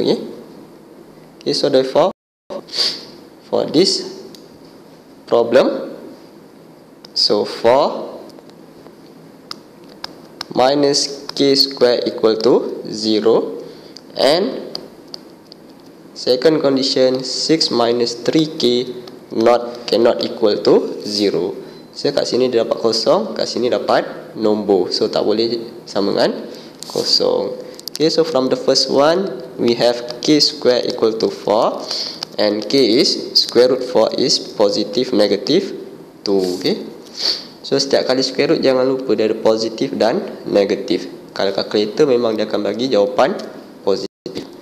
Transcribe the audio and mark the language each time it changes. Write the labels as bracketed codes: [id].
[en] Okay, so therefore for this problem, so 4 minus k square equal to 0, and second condition, 6 minus 3k not cannot equal to 0. [ms] So kat sini dia dapat kosong, kat sini dapat nombor, so tak boleh sama dengan kosong. [en] Okay, so from the first one, we have k square equal to 4, and k is square root 4 is positive negative 2. [ms] Okay, so setiap kali square root jangan lupa dia ada positif dan negatif. Kalau calculator memang dia akan bagi jawapan positif.